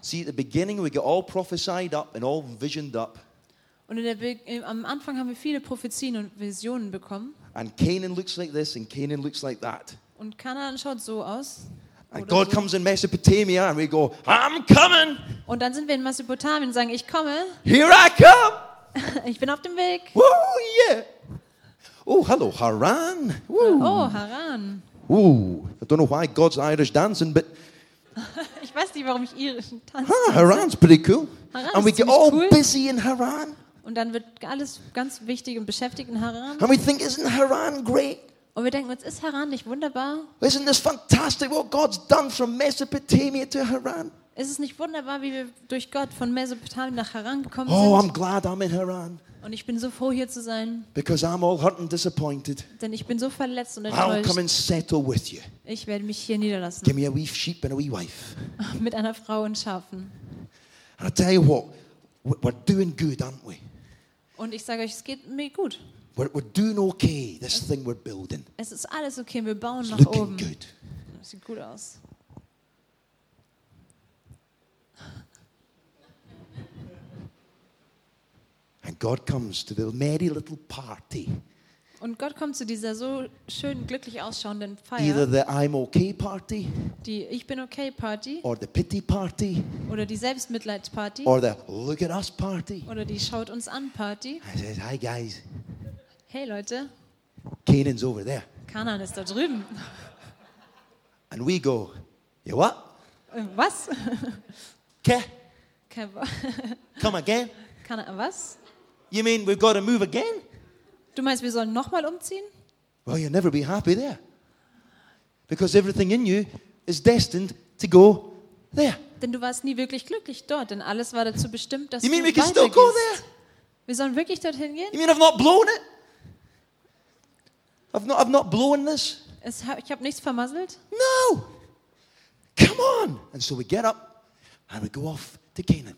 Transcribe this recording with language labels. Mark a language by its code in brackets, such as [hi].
[en] See, at the beginning we get all prophesied up and all visioned up. [de] Und am Anfang haben wir viele Prophezeien und Visionen bekommen. [en] And Canaan looks like this and Canaan looks like that. [de] Und Kanaan schaut so aus. [en] And God comes in Mesopotamia and we go, I'm coming. [de] Und dann sind wir in Mesopotamien und sagen, ich komme. [en] Here I come. [de] Ich bin auf dem Weg. [en] Woo, yeah. Oh, hello, Haran. Woo. Oh, Haran. Woo. I don't know why God's Irish dancing, but... [de] Ich weiß nicht, warum ich irisch tanze. [en] Ah, Haran's pretty cool. Haran and we get all busy in Haran. [de] Und dann wird alles ganz wichtig und beschäftigt in Haran. [en] And we think, isn't Haran great? [de] Und wir denken uns, ist Haran nicht wunderbar? [en] Isn't this fantastic what God's done from Mesopotamia to Haran? [de] Ist es nicht wunderbar, wie wir durch Gott von Mesopotamien nach Haran gekommen oh, sind? [en] Oh, I'm glad I'm in Haran. [de] Und ich bin so froh, hier zu sein. [en] Because I'm all hurt and disappointed. [de] Denn ich bin so verletzt und enttäuscht. [en] I'll come and settle with you. [de] Ich werde mich hier niederlassen. [en] Give me a wee sheep and a wee wife. [de] Mit einer Frau und Schafen. [en] And I tell you what, we're doing good, aren't we? [de] Und ich sage euch, es geht mir gut. [en] We're doing okay, this thing we're building. [de] Es ist alles okay, wir bauen [en] it's [de] nach oben. [en] It's looking good. [de] Es sieht gut aus. [en] And God comes to the merry little party. [de] Und Gott kommt zu dieser so schön glücklich ausschauenden Feier. [en] Either the I'm okay party. [de] Die ich bin okay Party. [en] Or the pity party. [de] Oder die Selbstmitleidsparty. [en] Or the look at us party. [de] Oder die schaut uns an Party. [en] I said, hi guys. [de] Hey Leute. [en] Canaan's over there. [de] Kanaan ist da drüben. [en] And we go, you what? [de] Was? Ke? Ke? [en] Come again? [de] Kanaan, was? [en] You mean we've got to move again? [de] Du meinst, wir sollen nochmal umziehen? [en] Well, you'll never be happy there. Because everything in you is destined to go there. [de] Denn du warst nie wirklich glücklich dort, denn alles war dazu bestimmt, dass [en] you [de] du [en] mean, [de] weitergehst. [en] You mean we can still go there? [de] Wir sollen wirklich dorthin gehen? [en] You mean I've not blown it? I've not blown this? [de] Ich habe nichts vermasselt? [en] No! Come on! And so we get up and we go off to Canaan.